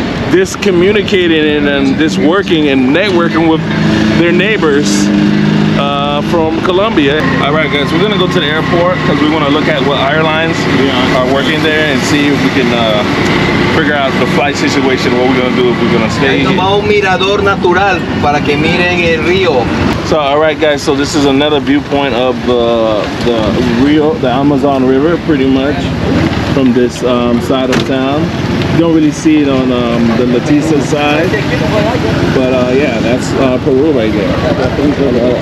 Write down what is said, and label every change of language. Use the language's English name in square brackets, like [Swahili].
[English] This communicating and this working and networking with their neighbors from Colombia. All right, guys, we're gonna go to the airport because we wanna look at what airlines are working there and see if we can figure out the flight situation, what we're gonna do, if we're gonna stay here. [Spanish] Un mirador natural para que miren el río. [English] So, all right, guys, so this is another viewpoint of the Amazon River, pretty much, from this side of town. You don't really see it on the Leticia side, but yeah, that's Peru right there.